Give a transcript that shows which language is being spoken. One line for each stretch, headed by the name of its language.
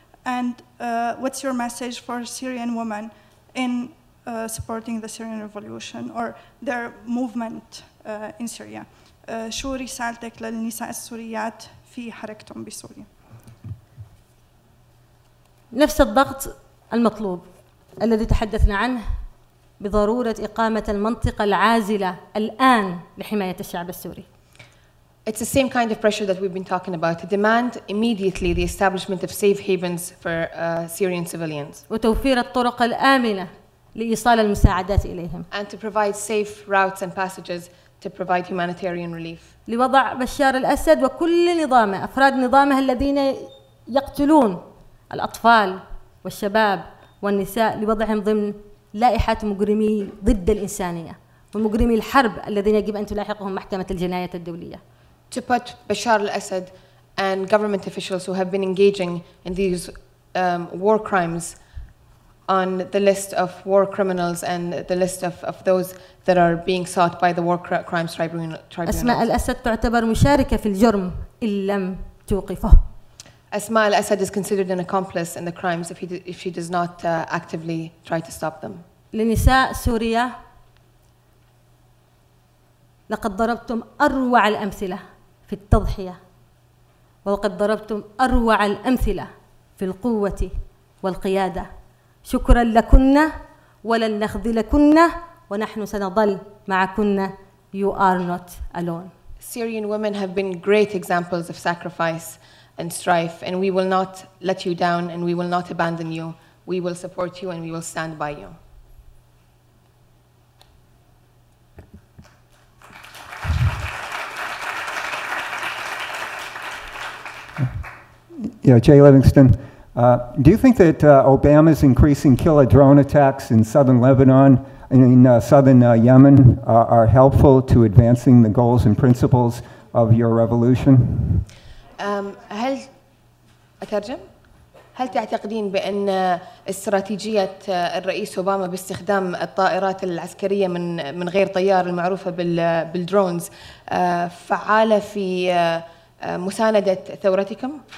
English: And what's your message for Syrian women in supporting the Syrian revolution or their movement in Syria?
Arabic: شو رسالتك للنساء السوريات في حركتهم بسوريا؟ نفس الضغط المطلوب الذي تحدثنا عنه بضرورة إقامة المنطقة العازلة الآن لحماية الشعب السوري.
English: It's the same kind of pressure that we've been talking about, to demand immediately the establishment of safe havens for Syrian civilians.
Arabic: وتوفير الطرق الآمنة لإيصال المساعدات إليهم.
English: And to provide safe routes and passages to provide humanitarian relief.
Arabic: لوضع بشار الأسد وكل نظامه أفراد نظامه الذين يقتلون الأطفال والشباب والنساء لوضعهم ضمن لائحة مجرمي ضد الإنسانية ومجرمي الحرب الذين يجب أن تلاحقهم محكمة الجناية الدولية.
English: To put Bashar al-Assad and government officials who have been engaging in these war crimes on the list of war criminals and the list of those that are being sought by the war crimes tribunal.
Arabic: Asma al-Assad تعتبر مشاركة في الجرم إن لم توقفه.
English: Asma al-Assad is considered an accomplice in the crimes if she does not actively try to stop them.
Arabic: لنساء سوريا لقد ضربتم أروع الأمثلة في التضحية وقد ضربتم أروع الأمثلة في القوة والقيادة شكرا لكنا ولن نخذلكنا ونحن سنظل معكنا
English: You are not alone. Syrian women have been great examples of sacrifice and strife, and we will not let you down, and we will not abandon you. We will support you, and we will stand by you. Yeah, Jay Livingston, do you think that Obama's increasing killer drone attacks in southern Lebanon, Yemen, are helpful to advancing the goals and principles of your revolution?
Arabic: هل أترجم؟ هل تعتقدين بأن استراتيجية الرئيس أوباما باستخدام الطائرات العسكرية من غير طيار المعروفة بالدرونز فعالة في مساندة ثورتكم؟